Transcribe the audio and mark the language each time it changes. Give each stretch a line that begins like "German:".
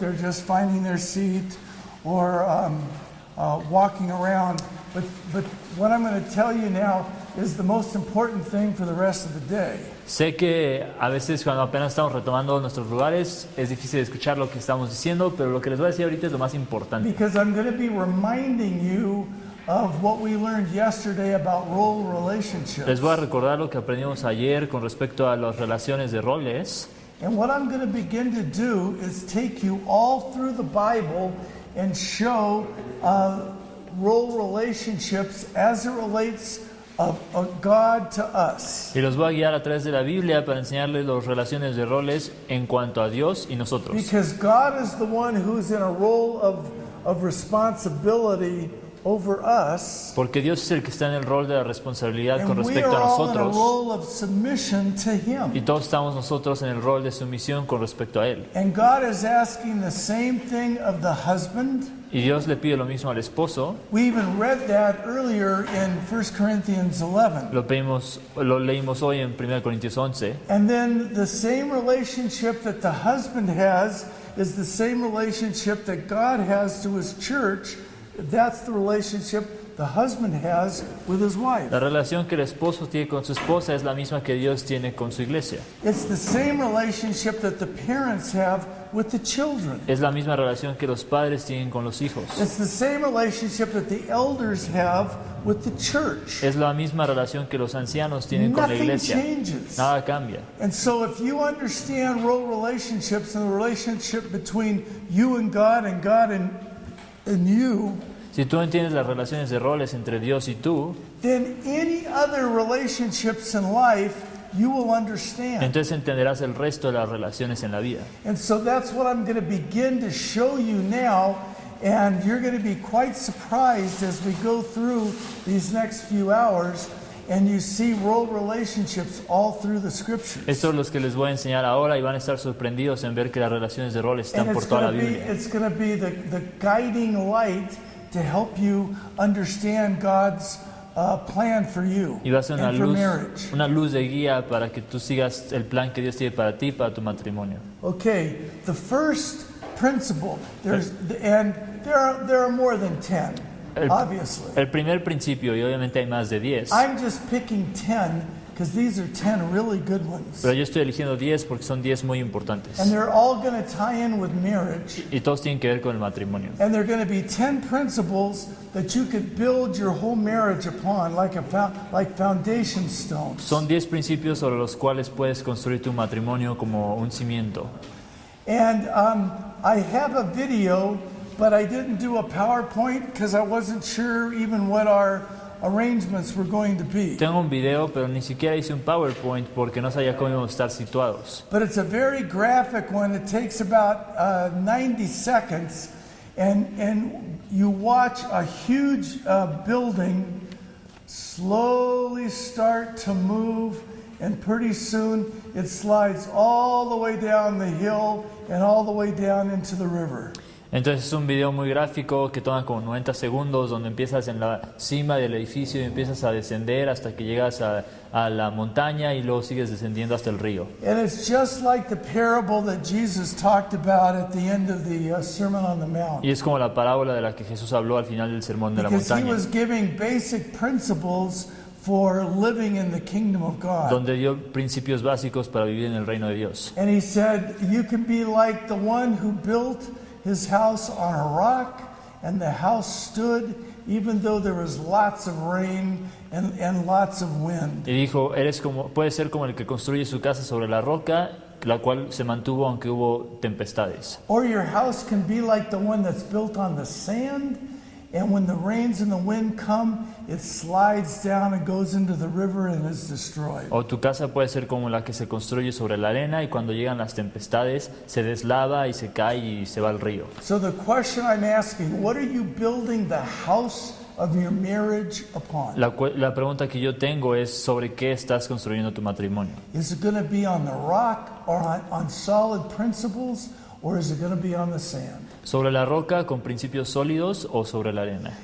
English: They're just finding their seat or walking around. But what I'm going to tell you now is the most important thing for the rest of the day.
Spanish: Sé que a veces cuando apenas estamos retomando nuestros lugares es difícil escuchar lo que estamos diciendo, pero lo que les voy a decir ahorita es lo más importante.
English: Because I'm going to be reminding you of what we learned yesterday about role relationships.
Spanish: Les voy a recordar lo que aprendimos ayer con respecto a las relaciones de roles.
English: And what I'm going to begin to do is take you all through the Bible and show role relationships as it relates of God to us.
Spanish: Y los voy a guiar a través de la Biblia para enseñarles las relaciones de roles en cuanto a Dios y nosotros.
English: Because God is the one who's in a role of responsibility over us.
Spanish: Porque Dios es el que está en el rol de la responsabilidad con respecto a nosotros.
English: And we are all in a role of submission to Him.
Spanish: Y todos estamos nosotros en el rol de sumisión con respecto a Él.
English: And God is asking the same thing of the husband.
Spanish: Y Dios le pide lo mismo al esposo.
English: We even read that earlier in 1 Corinthians 11.
Spanish: Lo leímos hoy en 1 Corintios 11.
English: And then the same relationship that the husband has is the same relationship that God has to His church. That's the relationship the husband has with his wife.
Spanish: La relación que el esposo tiene con su esposa es la misma que Dios tiene con su iglesia.
English: It's the same relationship that the parents have with the children.
Spanish: Es la misma relación que los padres tienen con los hijos.
English: It's the same relationship that the elders have with the church.
Spanish: Es la misma relación que los ancianos tienen con la iglesia.
English: Nothing changes.
Spanish: Nada cambia.
English: And so if you understand role relationships and the relationship between you and God and God and you,
Spanish: si tú entiendes las relaciones de roles entre Dios y tú,
English: then any other relationships in life you will understand.
Spanish: Entonces entenderás el resto de las relaciones en la vida.
English: And so that's what I'm going to begin to show you now, and you're going to be quite surprised as we go through these next few hours and you see role relationships all through the scriptures.
Spanish: Esto es lo que les voy a enseñar ahora y van a estar sorprendidos en ver que las relaciones de roles están por toda la Biblia.
English: It's going to be the guiding light to help you understand God's plan for you.
Spanish: Y va a ser una luz de guía para que tú sigas el plan que Dios tiene para ti, para tu matrimonio.
English: Okay, the first principle. There are more than 10. Obviously.
Spanish: El primer principio, y obviamente hay más de 10.
English: I'm just picking 10 because these are 10 really good ones.
Spanish: Pero yo estoy eligiendo 10 porque son 10 muy importantes.
English: And they're all going to tie in with marriage.
Spanish: Y todos tienen que ver con el matrimonio.
English: And they're going to be 10 principles that you could build your whole marriage upon, like foundation stones.
Spanish: Son 10 principios sobre los cuales puedes construir tu matrimonio como un cimiento.
English: And I have a video, but I didn't do a PowerPoint because I wasn't sure even what our arrangements were going to be.
Spanish: Tengo un video, pero ni siquiera hice un PowerPoint porque no sabía cómo íbamos a estar situados.
English: But it's a very graphic one. It takes about 90 seconds, and you watch a huge building slowly start to move, and pretty soon it slides all the way down the hill and all the way down into the river.
Spanish: Entonces es un video muy gráfico que toma como 90 segundos donde empiezas en la cima del edificio y empiezas a descender hasta que llegas a la montaña y luego sigues descendiendo hasta el río.
English: And it's just like the parable that Jesus talked about at the end of the Sermon on the Mount.
Spanish: Y es como la parábola de la que Jesús habló al final del Sermón de la Montaña.
English: He was giving basic principles for living in the kingdom of God.
Spanish: Donde dio principios básicos para vivir en el reino de Dios.
English: And he said, you can be like the one who built his house on a rock, and the house stood even though there was lots of rain and lots of wind.
Spanish: Y dijo, eres como, puedes ser como el que construye su casa sobre la roca, la cual se mantuvo aunque hubo tempestades.
English: Or your house can be like the one that's built on the sand, and when the rains and the wind come, it slides down and goes into the river and is destroyed.
Spanish: O tu casa puede ser como la que se construye sobre la arena y cuando llegan las tempestades se deslava y se cae y se va al río.
English: So the question I'm asking, what are you building the house of your marriage upon?
Spanish: La pregunta que yo tengo es sobre qué estás construyendo tu matrimonio.
English: Is it going to be on the rock or on solid principles, or is it going to be on the sand?
Spanish: ¿Sobre la roca con principios sólidos o sobre la arena?